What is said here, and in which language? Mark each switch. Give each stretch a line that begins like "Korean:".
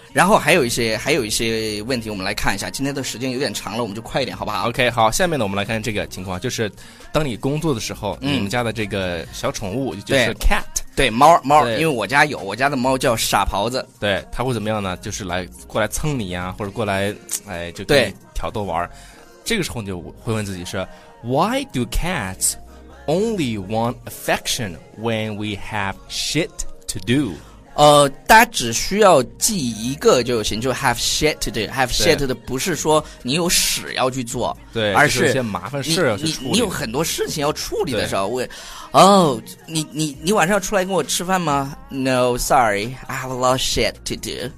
Chinese: 然后还有一些问题，我们来看一下。今天的时间有点长了，我们就快一点，好不好？OK， 好。下面呢，我们来看这个情况，就是当你工作的时候，你们家的这个小宠物就是 cat，对，猫，因为我家的猫叫傻狍子，对，它会怎么样呢？就是来过来蹭你呀，或者过来，哎，就跟你挑逗玩。这个时候你就会问自己是
English: ，Why do cats only want affection when we have shit to do？
Chinese: 大家只需要记一个就行，就
English: have shit to do。 have shit
Chinese: 的不是说你有屎要去做，对，而是有些麻烦事要去处理。你有很多事情要处理的时候，你晚上要出来跟我吃饭吗 ？
English: No, sorry, I have a lot of shit to do。